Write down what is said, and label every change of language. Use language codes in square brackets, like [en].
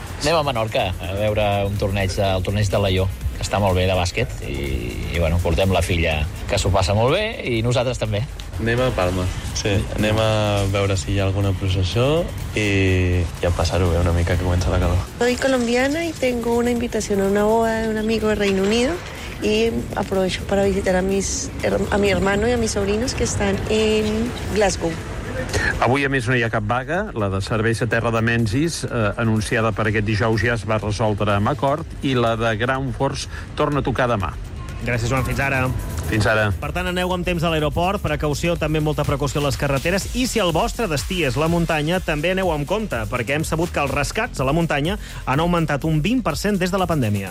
[ca] Anem a Menorca a veure un torneig, el torneig de l'Aió, que està molt bé de bàsquet, i bueno, portem la filla, que s'ho passa molt bé, i nosaltres també. Anem a Palma. Sí, anem a veure si hi ha alguna processó i a passar-ho bé una mica, que comença la calor. [es] Soy colombiana y tengo una invitación a una boda de un amigo de Reino Unido y aprovecho para visitar a mi hermano y a mis sobrinos que están en Glasgow. [ca] Avui, a més, no hi ha cap vaga. La de serveis a terra de Menzies, anunciada per aquest dijous, ja es va resoldre amb acord, i la de Ground Force torna a tocar demà. Gràcies, Joan. Fins ara. Fins ara. Per tant, aneu amb temps a l'aeroport, precaució, també molta precaució a les carreteres, i si el vostre destí és la muntanya, també aneu amb compte, perquè hem sabut que els rescats a la muntanya han augmentat un 20% des de la pandèmia.